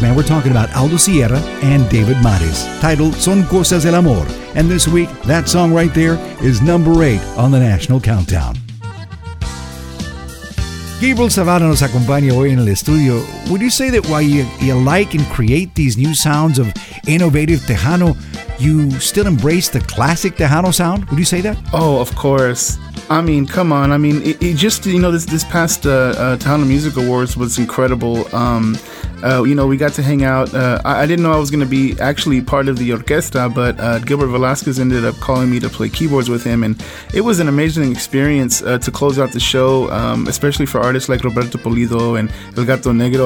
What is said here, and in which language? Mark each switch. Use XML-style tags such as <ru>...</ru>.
<en>Man, we're talking about Aldo Sierra and David Mares. Titled Son Cosas del Amor. And this week, that song right there is number 8 on the National Countdown.</en> <es>Gabriel Zavala nos acompaña hoy en el estudio.</es> <en>Would you say that while you like and create these new sounds of innovative Tejano, you still embrace the classic Tejano sound? Would you say that? Oh, of course. I mean, come on. I mean, this past Tejano Music Awards was incredible. We got to hang out. I didn't know I was going to be actually part of the orquesta, but Gilbert Velasquez ended up calling me to play keyboards with him, and it was an amazing experience to close out the show, especially for artists like Roberto Pulido and El Gato Negro.</en>